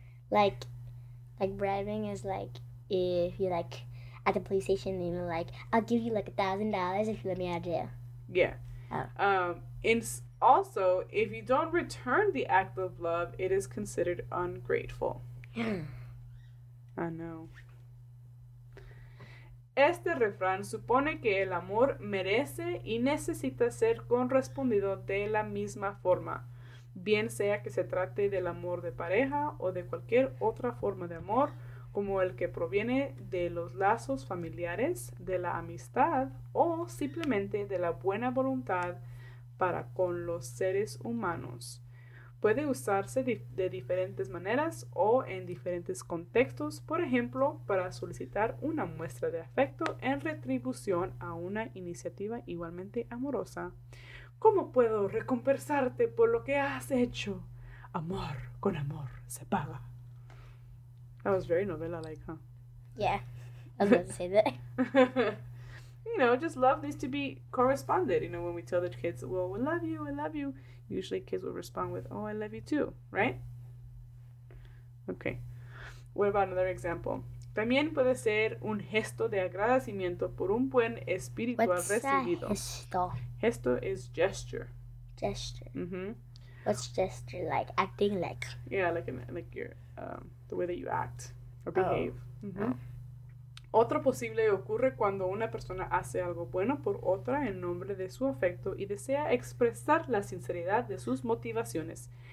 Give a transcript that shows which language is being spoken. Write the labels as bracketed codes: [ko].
[en] Like bribing is like if you like at the police station and you're like, I'll give you like $1,000 if you let me out of jail. Yeah. Also, if you don't return the act of love, it is considered ungrateful. I know. [es] Este refrán supone que el amor merece y necesita ser correspondido de la misma forma, bien sea que se trate del amor de pareja o de cualquier otra forma de amor, como el que proviene de los lazos familiares, de la amistad o simplemente de la buena voluntad para con los seres humanos. Puede usarse de diferentes maneras o en diferentes contextos, por ejemplo, para solicitar una muestra de afecto en retribución a una iniciativa igualmente amorosa. ¿Cómo puedo recompensarte por lo que has hecho? Amor con amor se paga. [en] That was very novella-like, huh? Yeah, I was about to say that. You know, just love needs to be corresponded. You know, when we tell the kids, well, we love you, I love you. Usually kids will respond with, oh, I love you too, right? Okay. What about another example? [es] También puede ser un gesto de agradecimiento por un buen espíritu recibido. [en] What's a gesto? Gesto is gesture. Gesture. Mm-hmm. What's gesture like? Acting like? Yeah, like your the way that you act or behave. Oh. Mm-hmm. Oh. [es] Otro posible ocurre cuando una persona hace algo bueno por otra en nombre de su afecto y desea expresar la sinceridad de sus motivaciones.